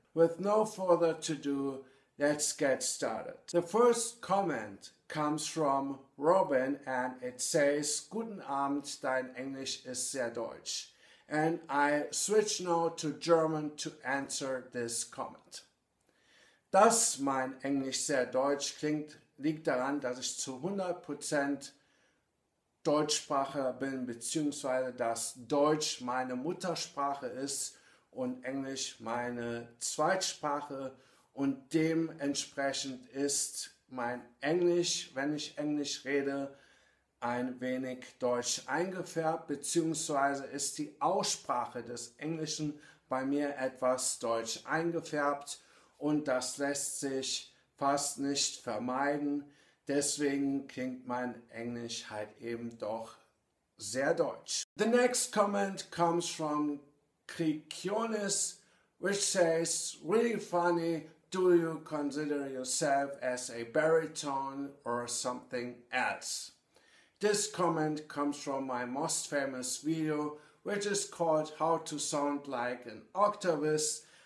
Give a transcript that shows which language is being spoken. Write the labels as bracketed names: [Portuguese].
[English] With no further ado, let's get started. The first comment comes from Robin and it says, [German] Guten Abend, dein Englisch ist sehr deutsch. [English] And I switch now to German to answer this comment. [German] Dass mein Englisch sehr deutsch klingt, liegt daran, dass ich zu 100% Deutschsprache bin, beziehungsweise dass Deutsch meine Muttersprache ist und Englisch meine Zweitsprache. Und dementsprechend ist mein Englisch, wenn ich Englisch rede, ein wenig deutsch eingefärbt, beziehungsweise ist die Aussprache des Englischen bei mir etwas deutsch eingefärbt und das lässt sich fast nicht vermeiden. Deswegen klingt mein Englisch halt eben doch sehr deutsch. [English] The next comment comes from Krikionis, which says, really funny, do you consider yourself as a baritone or something else? This comment comes from my most famous video, which is called How to Sound Like an Octavist.